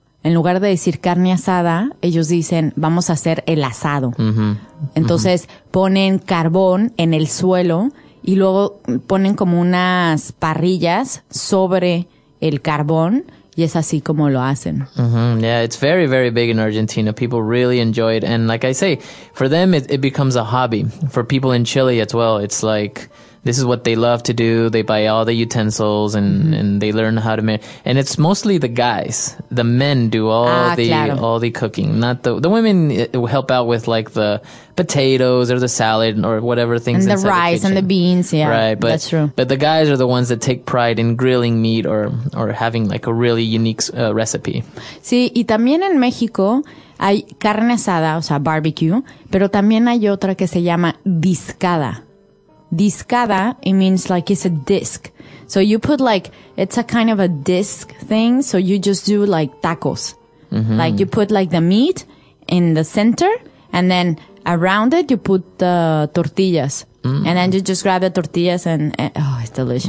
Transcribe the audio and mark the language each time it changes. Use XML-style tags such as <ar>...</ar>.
<es>En lugar de decir carne asada, ellos dicen, vamos a hacer el asado. Mm-hmm. Entonces mm-hmm. ponen carbón en el suelo y luego ponen como unas parrillas sobre el carbón y es así como lo hacen.</es> <en>Mm-hmm. Yeah, it's very, very big in Argentina. People really enjoy it. And like I say, for them, it becomes a hobby. For people in Chile as well, it's like, this is what they love to do. They buy all the utensils and they learn how to make. And it's mostly the guys. The men do all the cooking. Not the women help out with like the potatoes or the salad or whatever things. And the rice the and the beans. Yeah, right. But, that's true. But the guys are the ones that take pride in grilling meat or having like a really unique recipe.</en> <es>Sí, y también en México hay carne asada, o sea, barbecue. Pero también hay otra que se llama discada.</es> <en>Discada, it means like it's a disc. So you put like, it's a kind of a disc thing. So you just do like tacos. Mm-hmm. Like you put like the meat in the center and then around it you put the tortillas. Mm. And then you just grab the tortillas and oh, it's delicious.</en>